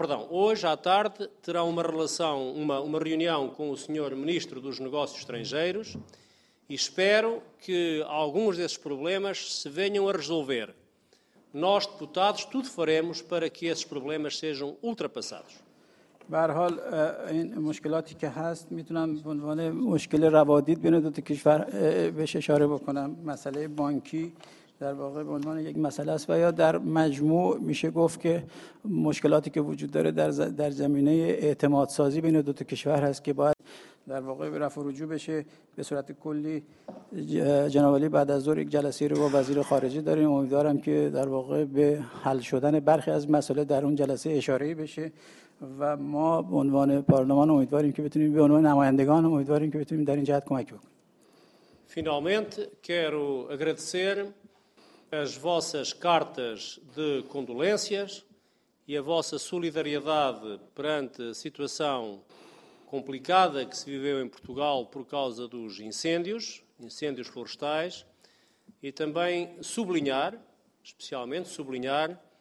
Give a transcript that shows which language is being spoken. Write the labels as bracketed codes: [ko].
[pt] Hoje à tarde terá uma reunião com o Sr. Ministro dos Negócios Estrangeiros e espero que alguns desses problemas se venham a resolver. Nós, deputados, tudo faremos para que esses problemas sejam ultrapassados. [fa] به هر حال این مشکلاتی که هست میتونم به عنوان مشکل روادید بین دو تا کشور بهش اشاره بکنم. مسئله بانکی در واقع به عنوان یک مسئله است و یا در مجموع میشه گفت که مشکلاتی که وجود داره در زمینه اعتماد سازی بین دو تا کشور هست که باید در واقع رفع و رجوع بشه. به صورت کلی جناب علی بعد از ظهر یک جلسه رو با وزیر خارجه داریم، امیدوارم که در واقع به حل شدن برخی از مسئله در اون جلسه اشاره بشه و ما به عنوان پارلمان امیدواریم که بتونیم، به عنوان نمایندگان امیدواریم که بتونیم در این جهت کمک بکنیم. [pt] Finalmente quero agradecer as vossas cartas de condolências e a vossa solidariedade perante a situação complicada que se viveu em Portugal por causa dos incêndios florestais, e também especialmente sublinhar